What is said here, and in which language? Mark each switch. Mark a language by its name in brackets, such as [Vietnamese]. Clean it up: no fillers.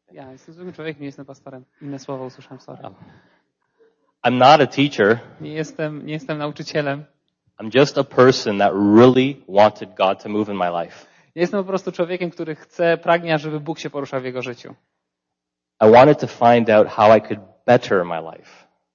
[Polish] Ja jestem zwykłym człowiekiem, nie jestem pastorem. Inne słowo usłyszałem, sorry. [English] I'm not a teacher. [Polish] Nie jestem nauczycielem. [English] I'm just a person that really wanted God to move in my life. [Polish] Ja jestem po prostu człowiekiem, który chce, pragnie, żeby Bóg się poruszał w jego życiu. [English] I wanted to find out how I could better my life.